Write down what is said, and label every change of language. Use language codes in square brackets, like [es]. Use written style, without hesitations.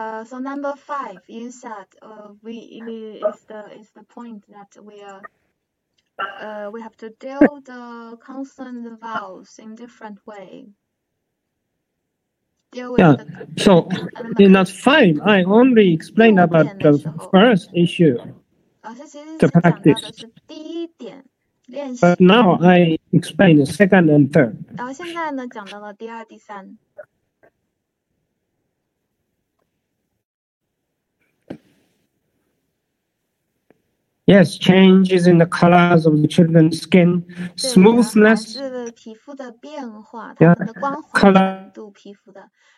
[en] So number five, you said, is the point that we have to deal the consonant vowels in different way. Yeah, so in that five, I only explained about the first issue, the practice. But now I explain the second and third. [zh] 现在呢，讲到了第二、第三。 [en] Yes, changes in the colors of the children's skin, smoothness. [zh] 对，孩子的皮肤的变化，他们的光滑程度，皮肤的。